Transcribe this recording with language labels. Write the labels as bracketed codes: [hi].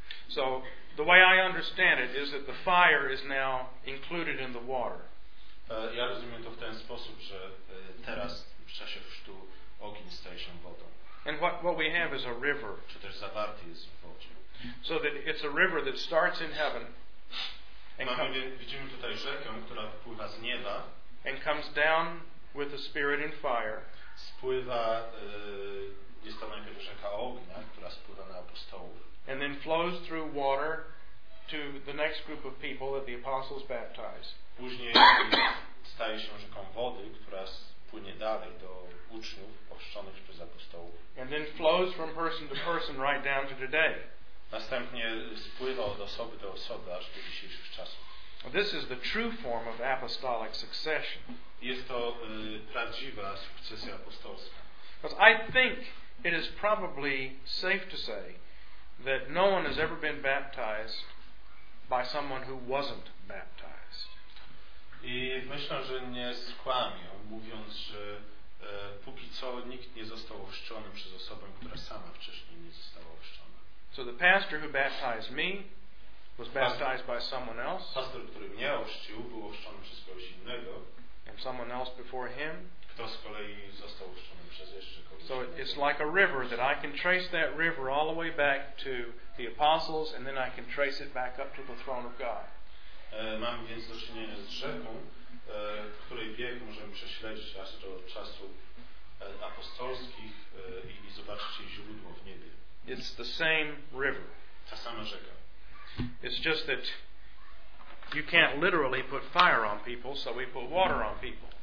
[en] So the way I understand it is that the fire is now included in the water. [pl] Ja rozumiem to w ten sposób, że teraz w czasie chrztu ogień staje się wodą. [en] And what we have is a river. [pl] Czy też zawarty jest w wodzie. [en] So that it's a river that starts in heaven. [pl] Widzimy tutaj rzekę, która wpływa z nieba. [en] And comes down with the Spirit and fire. [pl] Spływa, jest to najpierw rzeka ognia, która spływa na apostołów. [en] And then flows through water to the next group of people that the apostles baptize. [pl] Później staje się rzeką wody, która płynie dalej do uczniów ochrzczonych przez apostołów. [en] And then flows from person to person right down to today. [pl] Następnie spływa od osoby do osoby aż do dzisiejszych czasów. [en] This is the true form of apostolic succession. [pl] Jest to prawdziwa sukcesja apostolska. [en] Because I think it is probably safe to say that no one has ever been baptized by someone who wasn't baptized. [pl] I myślę, że nie skłamię, mówiąc, że póki co nikt nie został ochrzczony przez osobę, która sama wcześniej nie została ochrzczona. [en] So the pastor who baptized me was baptized by someone else. [pl] Pastor, który mnie ochrzcił, był ochrzczony przez kogoś innego. [en] And someone else before him. [pl] Kto z kolei został ochrzczony przez jeszcze kogoś. [en] So it's like a river that I can trace that river all the way back to the apostles and then I can trace it back up to the throne of God. [pl] Mam więc do czynienia z rzeką, której bieg możemy prześledzić aż do czasów apostolskich i zobaczyć jej źródło w niebie. [en] It's the same river. [pl] Ta sama rzeka. [en] It's just that you can't literally put fire on people, so we put water on people.